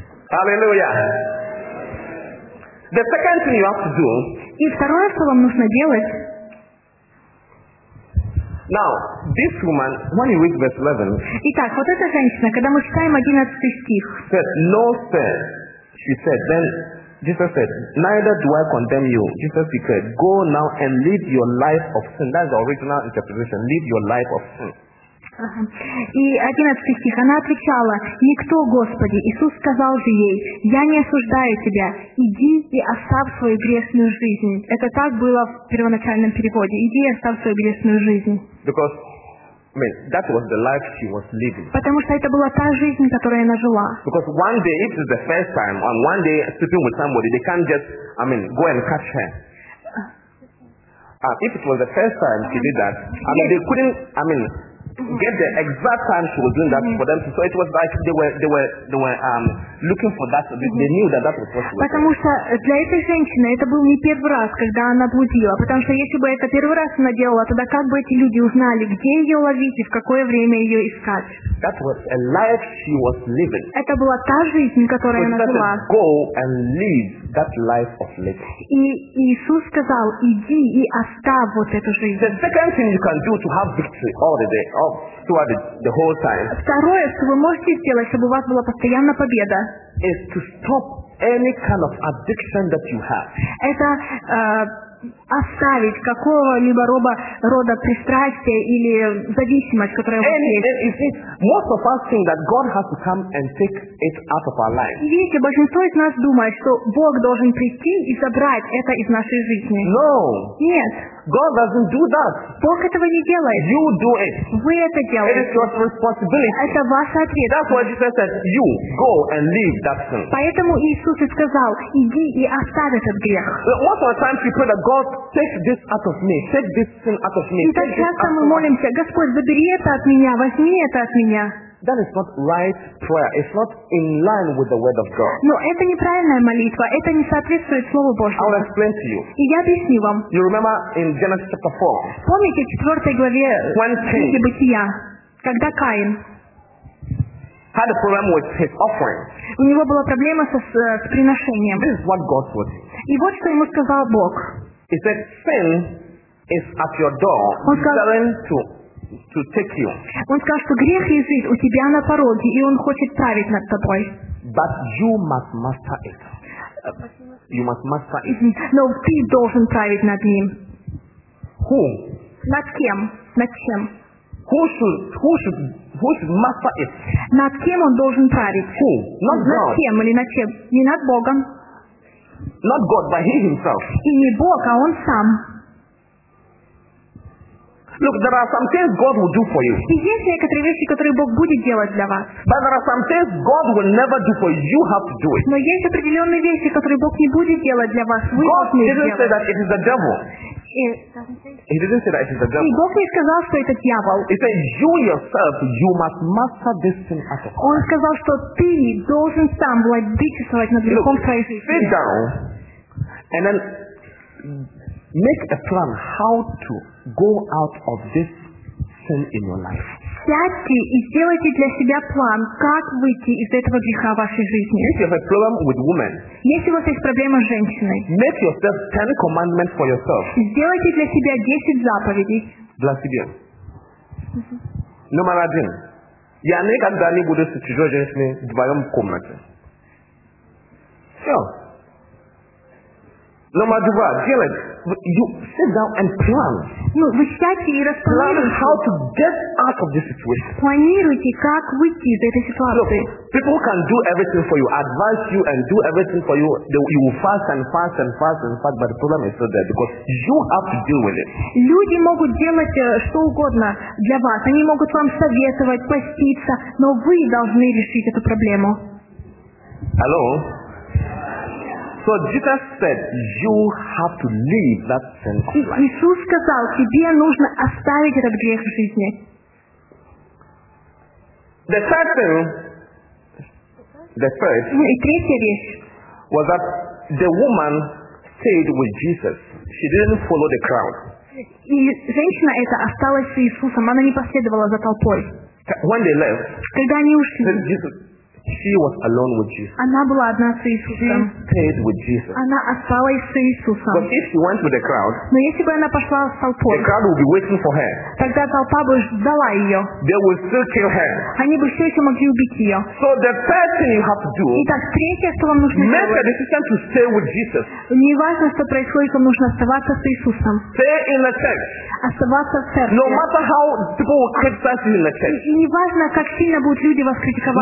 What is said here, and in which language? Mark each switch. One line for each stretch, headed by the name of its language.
Russian: Аллилуйя!
English: The second thing you have to do.
Russian: И второе, что вам нужно делать.
English: Now, this woman, when you read verse 11.
Russian: Итак, вот эта женщина, когда мы читаем 11 стих.
English: Said, no sir, she said. Then Jesus said, neither do I condemn you. Jesus declared, go now and live your life of sin. That's the original interpretation. Live your life of sin.
Russian: И 11 стих, она отвечала, «Никто, Господи, Иисус сказал же ей, я не осуждаю тебя, иди и оставь свою грешную жизнь». Это так было в первоначальном переводе, «Иди и оставь свою грешную жизнь».
English: Because, I mean, that was the life she was living.
Russian: Потому что это была та жизнь, которую она жила.
English: Because one day, if it's the first time, and one day sleeping with somebody, they can't just, I mean, go and catch her. If it was the first time she did that, I mean, they couldn't, I mean, get the exact time she was doing that for them. So it was like they were looking for that. They knew that that was what she was.
Russian: Потому что для этой женщины это был не первый раз, когда она блудила. Потому что если бы это первый раз она делала, тогда как бы эти люди узнали, где ее ловить и в какое время ее искать?
English: That was a life she was living.
Russian: Это была та жизнь, которую она жила.
English: Go and live that life of living.
Russian: И Иисус сказал: иди и оставь вот эту жизнь.
English: The second thing you can do to have victory all the day. The whole time,
Russian: второе, что вы можете сделать, чтобы у вас была постоянная победа,
English: is to stop any kind of addiction that you have.
Russian: Это оставить какого-либо рода пристрастие или зависимость, которая у вас есть.
English: Most of us think that God has to come and take it out of our life.
Russian: Видите, большинство из нас думает, что Бог должен прийти и забрать это из нашей жизни.
English: No.
Russian: Нет.
English: God doesn't do that.
Russian: Бог этого не делает.
English: You do it.
Russian: Вы это делаете.
English: It is your responsibility.
Russian: Это ваша ответственность.
English: That's why Jesus said, you go and leave that sin.
Russian: Поэтому Иисус и сказал, иди и оставь этот грех.
English: Most of the time we pray that God take this out of me, take this sin out of me.
Russian: И так часто мы молимся, Господь, забери это от меня, возьми это от меня.
English: That is not right prayer. It's not in line with the word of God.
Russian: Но это неправильная молитва. Это не соответствует слову Божьему.
English: I'll explain to you.
Russian: И я объясню вам.
English: You remember in Genesis chapter 4?
Russian: Помните в 4 главе книги Бытия, когда Каин
English: had a problem with his offering.
Russian: У него была проблема с приношением.
English: This is what God told him.
Russian: И вот что ему сказал Бог.
English: He said, "Sin is at your door, willing to." To take you.
Russian: Он сказал, что грех лежит у тебя на пороге, и он хочет править над тобой.
English: But you must master it. You must master it.
Russian: Но ты должен править над ним.
English: Who?
Russian: Над кем? Над чем?
English: Who should master it?
Russian: Над кем он должен править?
English: Who? Not God.
Russian: Над кем или над чем? Не над Богом.
English: Not God, but He Himself.
Russian: И не Бог, а Он сам.
English: Look, there are some things God will do for you.
Russian: И есть некоторые вещи, которые Бог будет делать для вас.
English: But there are some things God will never do for you. You have to do it.
Russian: Но есть определенные вещи, которые Бог не будет делать для вас. Вы должны делать.
English: God didn't say that it is the devil. He didn't say that it is the devil.
Russian: И Бог не сказал, что это дьявол.
English: He said you yourself, you must master this thing at all.
Russian: Он сказал, что ты должен сам владычествовать над грехом твоей жизни.
English: Look, sit down, and then make a plan how to go out of this sin in your life.
Russian: Сядьте и сделайте для себя план, как выйти из этого греха в вашей жизни.
English: If you have a problem with women,
Russian: если у вас есть проблема с женщиной,
English: make yourself 10 commandments for yourself.
Russian: Сделайте для себя 10 заповедей. Для себя. Номер один. Я никогда не буду с чужой женщиной вдвоем в комнате. Все. Номер два. Делать.
English: you sit down and plan.
Russian: Ну, вы сядьте и распланируйте.
English: Plan how to get out of this situation.
Russian: Планируйте, как выйти из этой ситуации.
English: People can do everything for you, advise you and do everything for you. You will fast and fast and fast and fast, but the problem is still there because you have to deal with it.
Russian: Люди могут делать что угодно для вас. Они могут вам советовать, поститься, но вы должны решить эту проблему.
English: Hello? So Jesus said, "You have to leave that sin of life."
Russian: Иисус сказал, тебе нужно оставить этот грех в жизни.
English: The third,
Russian: и третья вещь,
English: was that the woman stayed with Jesus. She didn't follow the crowd.
Russian: И женщина эта осталась с Иисусом. Она не последовала за толпой.
English: When they left,
Russian: когда они ушли,
English: then Jesus. She was alone with Jesus.
Russian: Она была одна с Иисусом.
English: She stayed with Jesus.
Russian: Она осталась с Иисусом.
English: But if she went with the crowd,
Russian: но если бы она пошла с толпой,
English: the crowd would be waiting for her.
Russian: Тогда толпа бы ждала ее.
English: They would still kill her.
Russian: Они бы все еще могли убить ее.
English: So the first thing you have to do.
Russian: Итак, третье, что вам нужно
English: make
Russian: делать.
English: Make a decision to stay with Jesus.
Russian: Не важно, что происходит, вам нужно оставаться с Иисусом.
English: Stay in the church.
Russian: Оставаться в церкви.
English: No matter how people will criticize you in the church.
Russian: И не важно, как сильно будут люди вас критиковать.